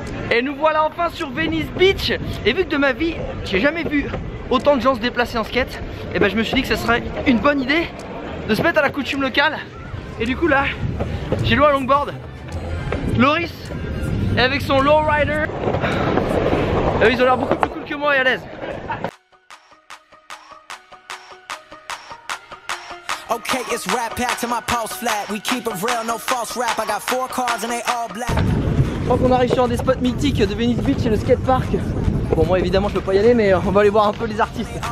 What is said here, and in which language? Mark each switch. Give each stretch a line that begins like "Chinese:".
French: Et nous voilà enfin sur Venice Beach. Et vu que de ma vie, j'ai jamais vu autant de gens se déplacer en skate, et ben je me suis dit que ce serait une bonne idée de se mettre à la coutume locale. Et du coup là, j'ai loué un longboard. Loris est avec son lowrider. Et ils ont l'air beaucoup plus cool que moi et à l'aise.
English: Okay, it's rap pack to my pulse flat. We keep it real, no false rap. I got four cars and they all black.
French: Je crois qu'on arrive sur un des spots mythiques de Venice Beach, c'est le skatepark. Bon, moi évidemment je peux pas y aller, mais on va aller voir un peu les artistes.